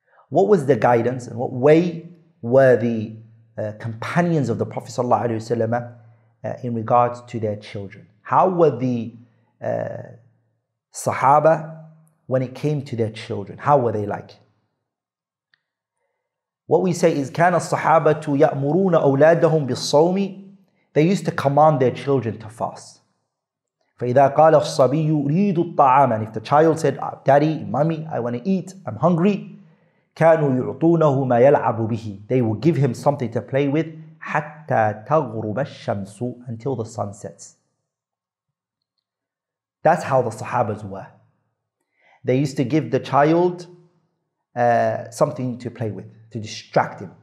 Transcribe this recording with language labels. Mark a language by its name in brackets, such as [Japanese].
[English] What was the guidance and what way were the companions of the Prophet sallallahu alayhi wa sallam in regards to their children? How were the Sahaba when it came to their children? How were they like? What we say is [Arabic] كان الصحابة يأمرون أولادهم بالصوم. [English] They used to command their children to fast. [Arabic] فإذا قال الصبي يريد الطعام. [English] And if the child said, Daddy, Mommy, I want to eat, I'm hungry. [Arabic] كانوا يعطونه ما يلعب به. [English] They will give him something to play with [Arabic] حتى تغرب الشمس, [English] until the sun sets. That's how the Sahabas were. They used to give the child something to play with, to distract him.